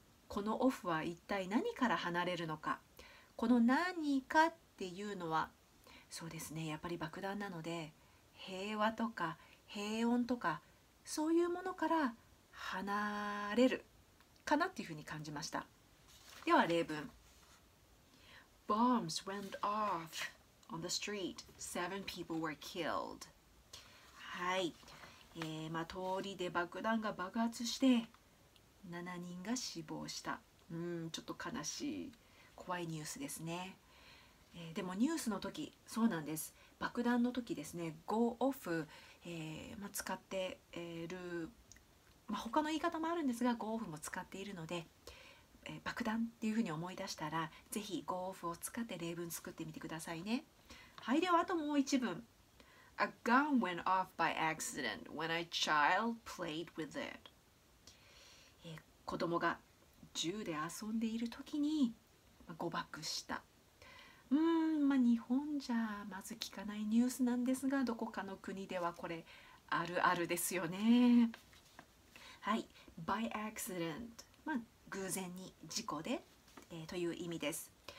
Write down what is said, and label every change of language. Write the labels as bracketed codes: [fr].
[ja] このオフは一体何から離れるのか。この何かっていうのは、そうですね、やっぱり爆弾なので、平和とか平穏とか、そういうものから離れるかなっていうふうに感じました。では例文。 [en] Bombs went off on the street. Seven people were killed. [ja] はい。通りで爆弾が爆発して、7人が死亡した。ちょっと悲しい、怖いニュースですね。でもニュースの時、そうなんです。爆弾の時ですね、go off、使っている、他の言い方もあるんですが、go off も使っているので、爆弾っていうふうに思い出したら、ぜひ go off を使って例文作ってみてくださいね。はい、ではあともう一文。 [en] A gun went off by accident when a child played with it. [ja] 子供が銃で遊んでいる時に誤爆した。日本じゃまず聞かないニュースなんですが、どこかの国ではこれあるあるですよね。はい、by accident、偶然に、事故で、という意味です。